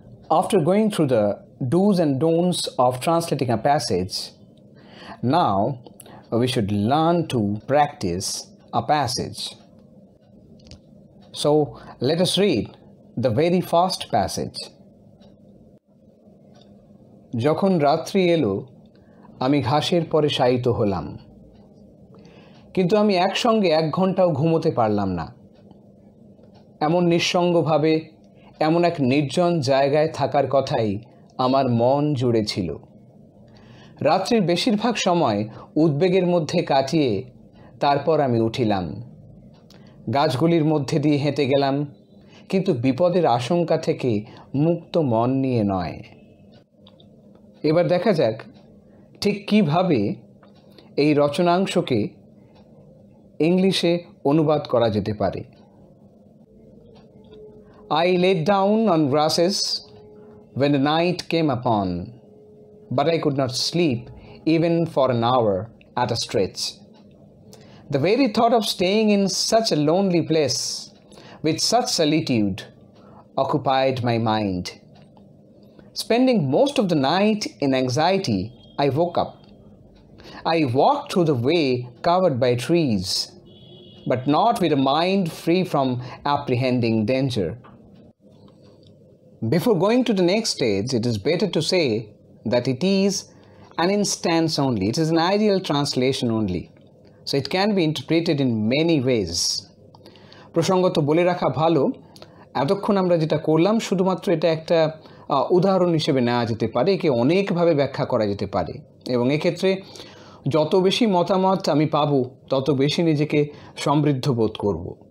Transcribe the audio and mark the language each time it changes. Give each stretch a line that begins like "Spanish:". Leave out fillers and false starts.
English: After going through the do's and don'ts of translating a passage, now we should learn to practice a passage. So let us read the very first passage.
Bangla: যখন রাত্রি এলো আমি ঘাসের পরে শায়িত হলাম, কিন্তু আমি একসঙ্গে এক ঘন্টাও ঘুমোতে পারলাম না। এমন নিঃসঙ্গভাবে, এমন এক নির্জন জায়গায় থাকার কথাই আমার মন জুড়েছিল। রাত্রির বেশিরভাগ সময় উদ্বেগের মধ্যে কাটিয়ে তারপর আমি উঠিলাম। গাছগুলির মধ্যে দিয়ে হেঁটে গেলাম, কিন্তু বিপদের আশঙ্কা থেকে মুক্ত মন নিয়ে নয়। এবার দেখা যাক ঠিক কীভাবে এই রচনাংশকে ইংলিশে অনুবাদ করা যেতে পারে।
English: I let down on grasses when the night came upon, but I could not sleep even for an hour at a stretch. The very thought of staying in such a lonely place with such solitude occupied my mind. Spending most of the night in anxiety, I woke up. I walked through the way covered by trees, but not with a mind free from apprehending danger. Before going to the next stage, it is better to say that it is an instance only. It is an ideal translation only. So it can be interpreted in many ways.
Bangla: প্রসঙ্গত বলে রাখা ভালো, এতক্ষণ আমরা যেটা করলাম শুধুমাত্র এটা একটা উদাহরণ হিসেবে নেওয়া যেতে পারে। একে অনেকভাবে ব্যাখ্যা করা যেতে পারে, এবং এক্ষেত্রে যত বেশি মতামত আমি পাবো তত বেশি নিজেকে সমৃদ্ধ বোধ করবো।